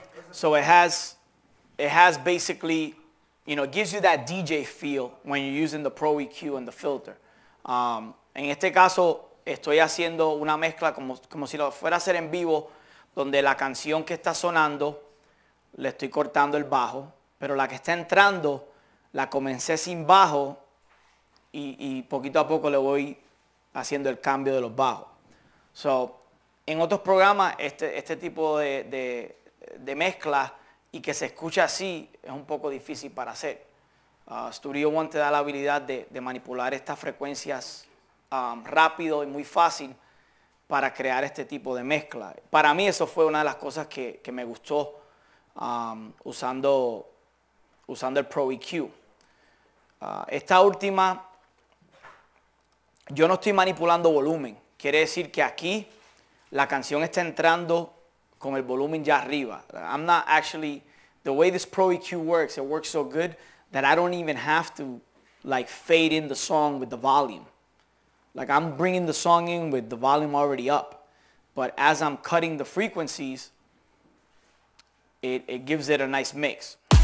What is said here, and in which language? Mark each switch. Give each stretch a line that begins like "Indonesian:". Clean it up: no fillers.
English: So it has basically, you know, it gives you that DJ feel when you're using the Pro EQ and the filter.
Spanish: En este caso, estoy haciendo una mezcla como si lo fuera a hacer en vivo, donde la canción que está sonando, le estoy cortando el bajo, pero la que está entrando, la comencé sin bajo y poquito a poco le voy haciendo el cambio de los bajos. So, en otros programas, este tipo de mezcla y que se escucha así es un poco difícil para hacer. Studio One te da la habilidad de manipular estas frecuencias rápido y muy fácil para crear este tipo de mezcla. Para mí eso fue una de las cosas que me gustó usando el Pro EQ. Esta última, yo no estoy manipulando volumen. Quiere decir que aquí la canción está entrando con el volumen ya arriba.
English: I'm not actually, the way this Pro EQ works, it works so good that I don't even have to like fade in the song with the volume. Like I'm bringing the song in with the volume already up. But as I'm cutting the frequencies, it gives it a nice mix.